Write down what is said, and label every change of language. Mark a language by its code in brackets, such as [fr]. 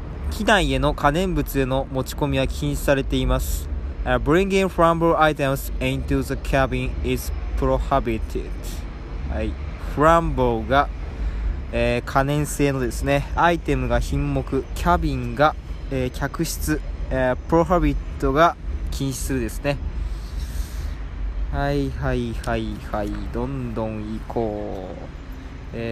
[ja] 機内への可燃物への持ち込みは禁止されています。 [en] Bringing flammable items into the cabin is prohibited. [ja] はい、flammable が、可燃性のですね、アイテムが品目、キャビンが、客室、prohibited が禁止するですね。はいはいはいはい、どんどん行こう。